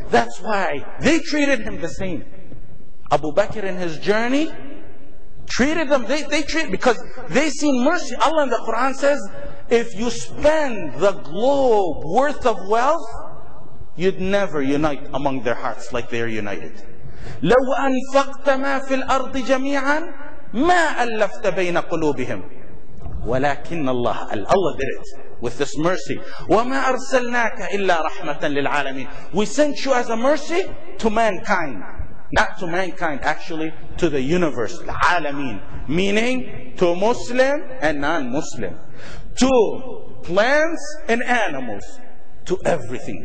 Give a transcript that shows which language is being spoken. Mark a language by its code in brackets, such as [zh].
[en] That's why they treated him the same. Abu Bakr in his journey treated them. They treat because they seen mercy. Allah in the Quran says, if you spend the globe worth of wealth, you'd never unite among their hearts like they are united. [ar] لَوْ أَنْفَقْتَ مَا فِي الْأَرْضِ جَمِيعًا مَا أَلَّفْتَ بَيْنَ قُلُوبِهِمْ وَلَكِنَّ اللَّهَ [en] Allah did it with this mercy. [ar] وَمَا أَرْسَلْنَاكَ إِلَّا رَحْمَةً لِلْعَالَمِينَ [en] We sent you as a mercy to mankind. Not to mankind, actually, to the universe. العالمين. Meaning to Muslim and non-Muslim. To plants and animals, to everything.